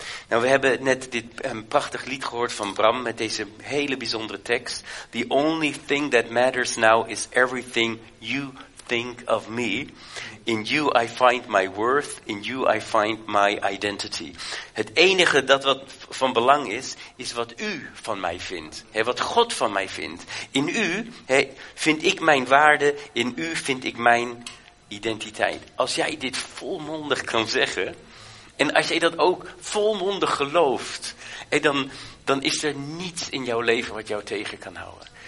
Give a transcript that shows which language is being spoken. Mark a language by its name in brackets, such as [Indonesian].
[Dutch] Nou, we hebben net dit prachtig lied gehoord van Bram met deze hele bijzondere tekst. [English] The only thing that matters now is everything you think of me. In you I find my worth, in you I find my identity. [Dutch] Het enige dat wat van belang is, is wat u van mij vindt. Wat God van mij vindt. In u vind ik mijn waarde, in u vind ik mijn identiteit. Als jij dit volmondig kan zeggen. En als je dat ook volmondig gelooft, dan is er niets in jouw leven wat jou tegen kan houden.